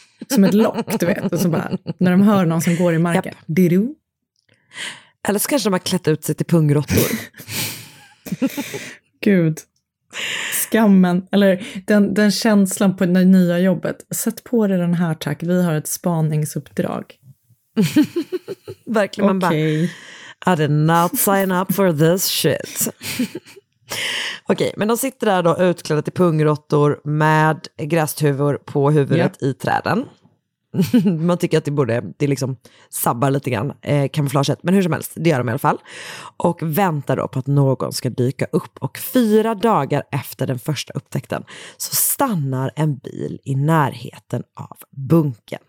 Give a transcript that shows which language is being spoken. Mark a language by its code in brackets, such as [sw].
[sv] Som ett lock, du vet. Och så bara, när de hör någon som går i marken. Diru. Eller så kanske de har klätt ut sig till pungrottor. Gud. Skammen, eller den känslan på det nya jobbet. Sätt på dig den här, tack. Vi har ett spaningsuppdrag. Verkligen, okay. Man bara, [en] I did not sign up for this shit. [sv] Okej, men de sitter där då utklädda till pungrottor med grästuvor på huvudet, yep, i träden. Man tycker att det borde, det liksom sabbar lite grann kamouflaget, men hur som helst, det gör de i alla fall. Och väntar då på att någon ska dyka upp. Och 4 dagar efter den första upptäckten så stannar en bil i närheten av bunken.